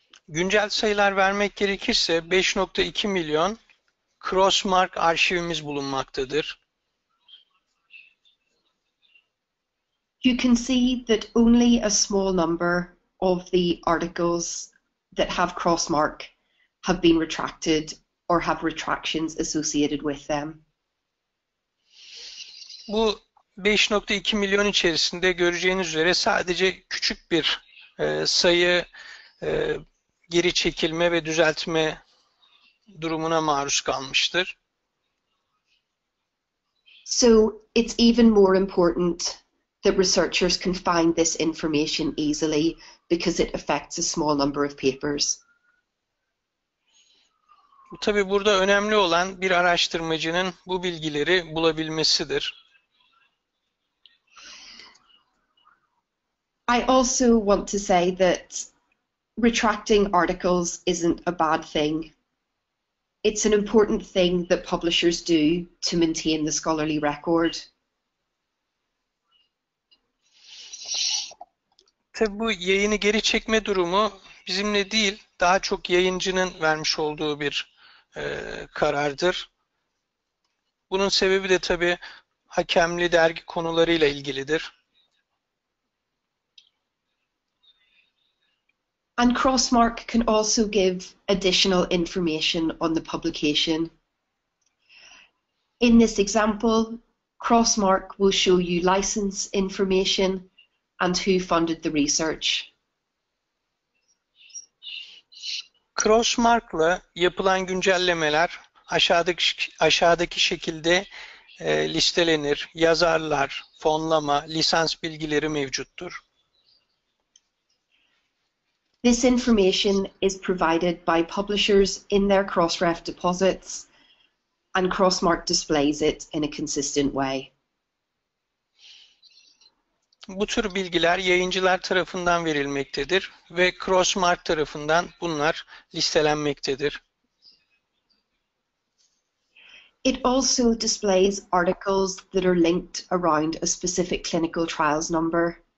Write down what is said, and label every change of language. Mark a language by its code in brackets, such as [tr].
[tr] Güncel sayılar vermek gerekirse 5.2 milyon crossmark arşivimiz bulunmaktadır. [en] You can see that only a small number of the articles that have crossmark have been retracted or have retractions associated with them. [tr] Bu 5.2 milyon içerisinde göreceğiniz üzere sadece küçük bir sayı geri çekilme ve düzeltme durumuna maruz kalmıştır. [en] So it's even more important that researchers can find this information easily because it affects a small number of papers. [tr] Tabii burada önemli olan bir araştırmacının bu bilgileri bulabilmesidir. [en] I also want to say that retracting articles isn't a bad thing. It's an important thing that publishers do to maintain the scholarly record. [tr] Tabii bu yayını geri çekme durumu bizimle değil, daha çok yayıncının vermiş olduğu bir karardır. Bunun sebebi de tabii hakemli dergi konularıyla ilgilidir. [en] And Crossmark can also give additional information on the publication. In this example, Crossmark will show you license information and who funded the research. [tr] Crossmark'la yapılan güncellemeler aşağıdaki şekilde listelenir. Yazarlar, fonlama, lisans bilgileri mevcuttur. [en] This information is provided by publishers in their Crossref deposits and Crossmark displays it in a consistent way. [tr] Bu tür bilgiler yayıncılar tarafından verilmektedir ve Crossmark tarafından bunlar listelenmektedir. [en] It also displays articles that are linked around a specific clinical trials number.